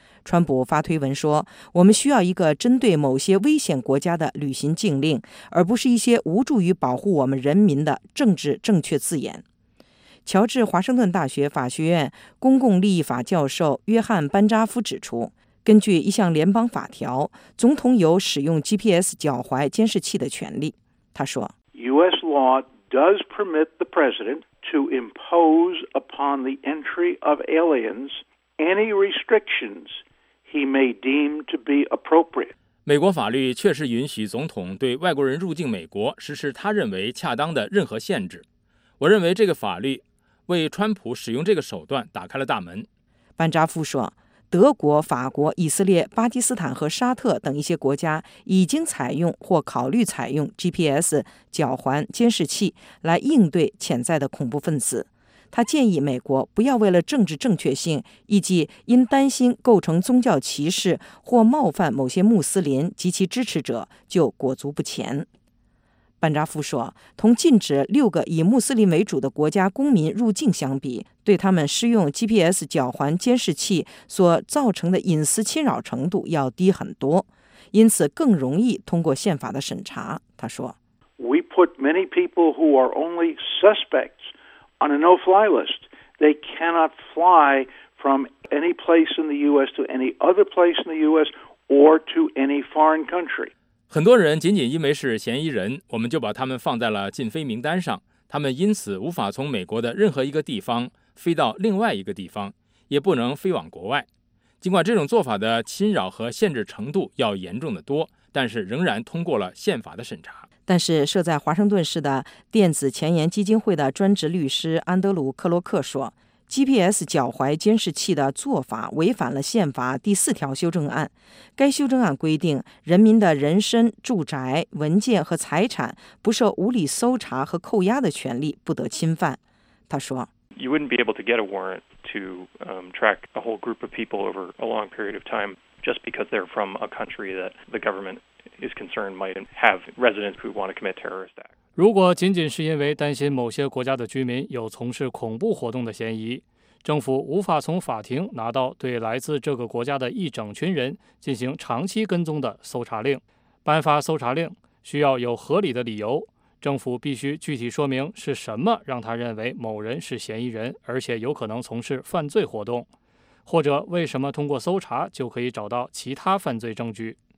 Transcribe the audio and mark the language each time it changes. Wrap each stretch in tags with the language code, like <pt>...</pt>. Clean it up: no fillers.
<zh>川普发推文说，我们需要一个针对某些危险国家的旅行禁令，而不是一些无助于保护我们人民的政治正确字眼。乔治华盛顿大学法学院公共利益法教授约翰·班扎夫指出，根据一项联邦法条，总统有使用 GPS 脚踝监视器的权利。他说</zh> <en>U.S. law does permit the president to impose upon the entry of aliens any restrictions he may deem to be appropriate.</en> <zh>美国法律确实允许总统对外国人入境美国实施他认为恰当的任何限制。我认为这个法律为川普使用这个手段打开了大门。班扎夫说，德国、法国、以色列、巴基斯坦和沙特等一些国家已经采用或考虑采用 GPS 脚环监视器来应对潜在的恐怖分子。他建议美国不要为了政治正确性，以及因担心构成宗教歧视或冒犯某些穆斯林及其支持者就裹足不前。班扎夫说，同禁止六个以穆斯林为主的国家公民入境相比，对他们施用 GPS 脚环监视器所造成的隐私侵扰程度要低很多，因此更容易通过宪法的审查。他说，</zh> <en>We put many people who are only suspects on a no-fly list. They cannot fly from any place in the U.S. to any other place in the U.S. or to any foreign country.</en> <zh>很多人仅仅因为是嫌疑人，我们就把他们放在了禁飞名单上，他们因此无法从美国的任何一个地方飞到另外一个地方，也不能飞往国外。尽管这种做法的侵扰和限制程度要严重的多，但是仍然通过了宪法的审查。但是设在华盛顿市的电子前沿基金会的专职律师安德鲁·克洛克说，GPS 脚踝监视器的做法违反了宪法第四条修正案。该修正案规定，人民的人身、住宅、文件和财产不受无理搜查和扣押的权利不得侵犯。他说，</zh> <en>You wouldn't be able to get a warrant to track a whole group of people over a long period of time just because they're from a country that the government is concerned might have residents who want to commit terrorist acts.</en> <zh>如果仅仅是因为担心某些国家的居民有从事恐怖活动的嫌疑，政府无法从法庭拿到对来自这个国家的一整群人进行长期跟踪的搜查令。颁发搜查令需要有合理的理由，政府必须具体说明是什么让他认为某人是嫌疑人，而且有可能从事犯罪活动，或者为什么通过搜查就可以找到其他犯罪证据。</zh>